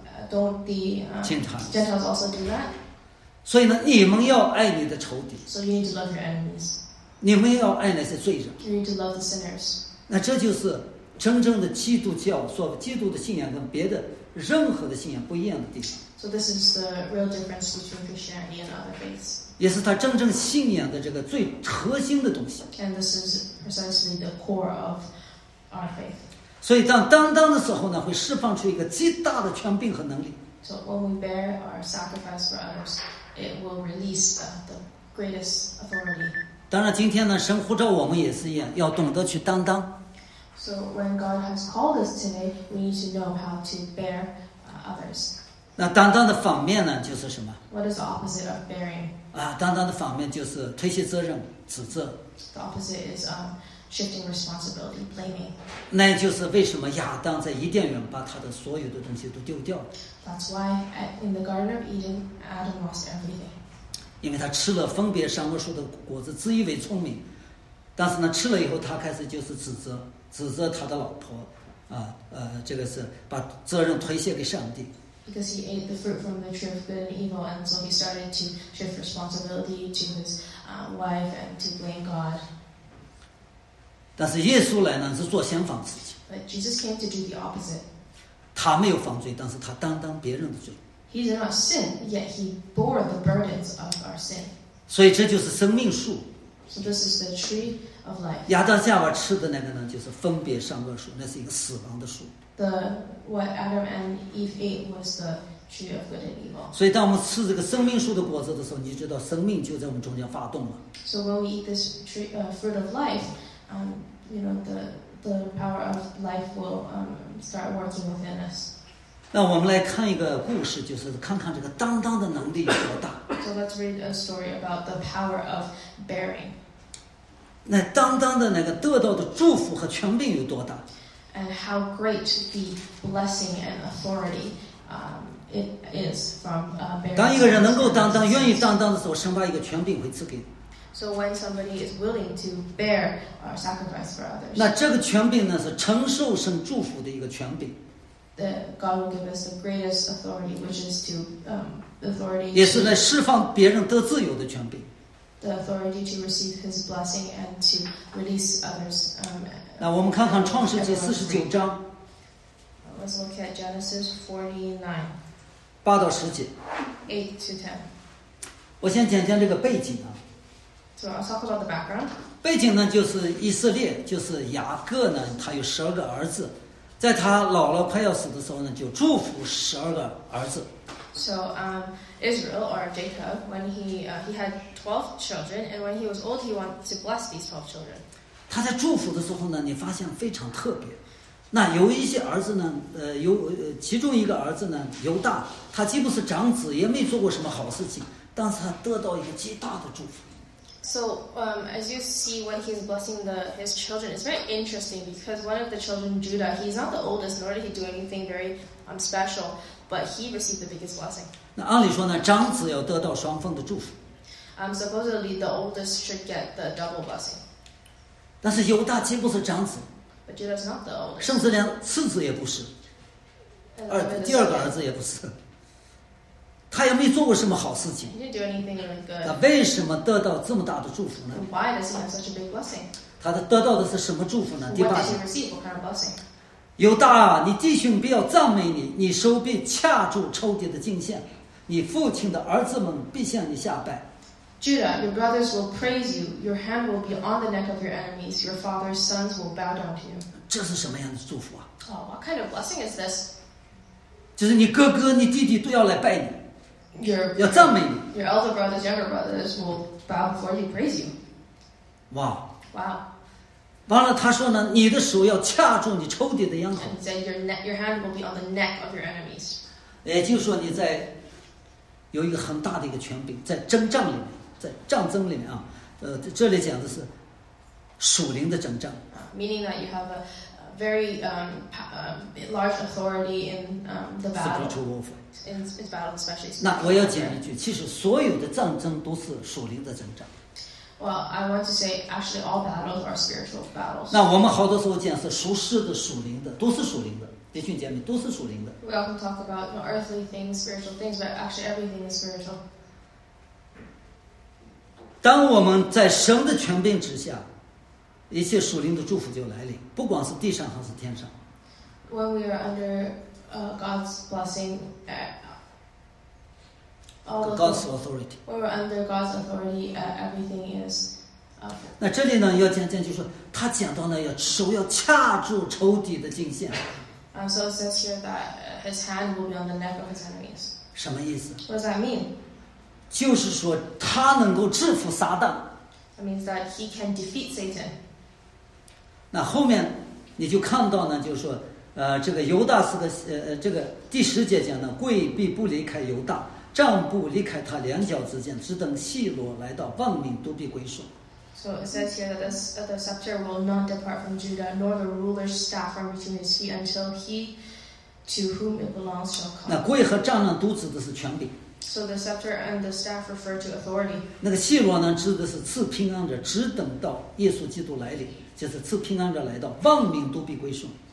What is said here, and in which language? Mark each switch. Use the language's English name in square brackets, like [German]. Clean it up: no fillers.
[English] Don't the Gentiles also do that?" [Chinese] 所以呢，你们要爱你的仇敌。 [English] So you need to love your enemies. [Chinese] 你们要爱那些罪人。 [English] You need to love the sinners. [Chinese] 那这就是真正的基督教所基督的信仰跟别的任何的信仰不一样的地方。 [English] So this is the real difference between Christianity and other faiths. [Chinese] 也是他真正信仰的这个最核心的东西。 [English] And this is precisely the core of our faith. [Chinese] 所以当担当的时候呢，会释放出一个极大的权柄和能力。 [English] So when we bear our sacrifice for others, it will release the greatest authority. [Chinese] 当然今天呢，神呼召我们也是一样，要懂得去担当。 [English] So when God has called us today, we need to know how to bear others. [Chinese] 那担当的反面呢，就是什么？ [English] What is the opposite of bearing? [Chinese] 啊，担当的反面就是推卸责任、指责。 [English] The opposite is shifting responsibility, blaming. [Chinese] 那就是为什么亚当在伊甸园把他的所有的东西都丢掉了。 [English] That's why in the Garden of Eden, Adam lost everything. [Chinese] 因为他吃了分别善恶树的果子，自以为聪明，但是呢，吃了以后，他开始就是指责他的老婆，这个是把责任推卸给上帝。 [English] Because he ate the fruit from the tree of good and evil, and so he started to shift responsibility to his wife and to blame God. [Chinese] 但是耶稣来呢，是做相反自己。 [English] But Jesus came to do the opposite. [Chinese] 他没有犯罪，但是他担当别人的罪。 [English] He did not sin, yet he bore the burdens of our sin. [Chinese] 所以这就是生命树。 [English] So this is the tree of life. [Chinese] 亚当夏娃吃的那个呢，就是分别善恶树，那是一个死亡的树。 [English] The what Adam and Eve ate was the tree of good and evil. [Chinese] 所以当我们吃这个生命树的果子的时候，你知道生命就在我们中间发动了。 [English] So when we eat this tree, fruit of life, you know the power of life will start working within us. [Chinese] 那我们来看一个故事，就是看看这个担当的能力有多大。 [English] So let's read a story about the power of bearing. [Chinese] 那担当的那个得到的祝福和权柄有多大 [English] ？And how great the blessing and authority it is from bearing. [Chinese] 当一个人能够担当、愿意担当的时候，神把一个权柄会赐给。 [English] So when somebody is willing to bear or sacrifice for others. [Chinese] 那这个权柄呢，是承受神祝福的一个权柄。 [English] That God will give us the greatest authority, which is to authority. [Chinese] 也是来释放别人得自由的权柄。 [English] The authority to receive His blessing and to release others. [Chinese] 那我们看看创世纪四十九章。 [English] Let's look at Genesis 49. [Chinese] 八到十节。 [English] 8 to 10. [Chinese] 我先讲讲这个背景啊。 [English] So I'll talk about the background. [Chinese] 背景呢，就是以色列，就是雅各呢，他有十二个儿子。在他老了快要死的时候呢，就祝福十二个儿子。 [English] So, Israel or Jacob, when he had 12 children, and when he was old, he wanted to bless these 12 children. [Chinese] 他在祝福的时候呢，你发现非常特别。那有一些儿子呢，有其中一个儿子呢，犹大，他既不是长子，也没做过什么好事情，但是他得到一个极大的祝福。 [English] So, as you see, when he's blessing his children, it's very interesting because one of the children, Judah, he's not the oldest, nor did he do anything very special, but he received the biggest blessing. [Chinese] 那按理说呢，长子要得到双方的祝福。 [English] Supposedly, the oldest should get the double blessing. [Chinese] 但是犹大既不是长子。 [English] But Judah's not the oldest. [Chinese] 甚至连次子也不是。第二个儿子也不是。他也没做过什么好事情。他为什么得到这么大的祝福呢？ [English] Why does he have such a big blessing? [Chinese] 他得到的是什么祝福呢？第八节。 [English] What did he receive? What kind of blessing? [Chinese] 犹大，你弟兄必要赞美你，你手必掐住仇敌的颈线，你父亲的儿子们必向你下拜。 [English] Judah, your brothers will praise you. Your hand will be on the neck of your enemies. Your father's sons will bow down to you. [Chinese] 这是什么样的祝福啊？ [English] Oh, what kind of blessing is this? [Chinese] 就是你哥哥、你弟弟都要来拜你。要赞美你。 [English] Your elder brothers, younger brothers will bow before you, praise you. Wow. Wow. [Chinese] 完了，他说呢，你的手要掐住你仇敌的咽喉。 [English] And he said, your hand will be on the neck of your enemies. [Chinese] 也就是说，你在有一个很大的一个权柄，在征战里面，在战争里面啊，这里讲的是属灵的征战。 [English] Meaning that you have a very large authority in the battle. Spiritual warfare. In battle, especially. [Chinese] 那我要讲一句，其实所有的战争都是属灵的征战。 [English] Well, I want to say, actually, all battles are spiritual battles. [Chinese] 那我们好多时候讲是属世的、属灵的，都是属灵的，弟兄姐妹都是属灵的。 [English] We often talk about you know, earthly things, spiritual things, but actually, everything is spiritual. [Chinese] 当我们在神的权柄之下，一切属灵的祝福就来临，不管是地上还是天上。 [English] When we are under God's blessing, God's authority. When we're under God's authority, everything is. [Chinese] 那这里呢，要讲就是说，他讲到呢，要手要掐住仇敌的颈线。 [English] So it says here that his hand will be on the neck of his enemies. [Chinese] 什么意思？ [English] What does that mean? [Chinese] 就是说，他能够制服撒旦。 [English] That means that he can defeat Satan. [Chinese] 那后面你就看到呢，就是说。这个犹大是个这个第十节讲呢，跪必不离开犹大，杖不离开他两脚之间，只等细罗来到，万民都必归顺。 [English] So it says here that the scepter will not depart from Judah, nor the ruler's staff from between his feet until he to whom it belongs shall come. [Chinese] 那跪和杖呢，都指的是权柄。 [English] So the scepter and the staff refer to authority. [Chinese] 那个细罗呢，指的是赐平安者，只等到耶稣基督来临，就是赐平安者来到，万民都必归顺。